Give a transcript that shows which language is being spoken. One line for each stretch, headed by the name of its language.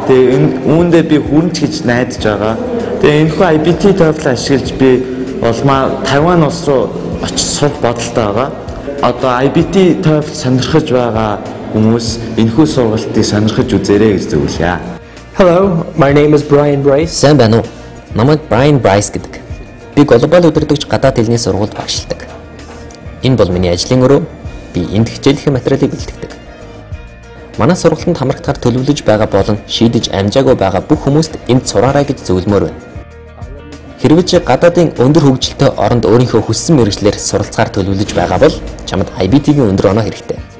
Mongolian: Тэгээд энэ үүндээ би хүрч гэж найдаж байгаа. Тэгээд энэхүү IBT TOEFL ашиглаж би улмаа Тайван улс руу очих сурах бодолтой байгаа. Одоо IBT TOEFL сонирхож байгаа хүмүүс энэхүү сургалтыг сонирхож үзээрэй гэж зөвлөе.
English: Hello, my name is Brian Bryce.
Mongolian: Сайн байна уу? Намайг Brian Bryce гэдэг. Би глобал өдөртөгч гадаад хэлний сургалт багшилдаг. Энэ бол миний ажлын өрөө. Би энд хичээлийн материалыг бэлтгэдэг. Манай сургалтанд хамрагдахаар төлөвлөж байгаа болон шийдэж амжаагүй байгаа бүх хүмүүст энд сураарай гэж зөвлөмөр байна. Хэрвээ чи гадаадын өндөр хөгжилтэй оронд өөрийнхөө хүссэн мэргэжлэр суралцахаар төлөвлөж байгаа бол чамд IBT-ийн өндөр оноо хэрэгтэй.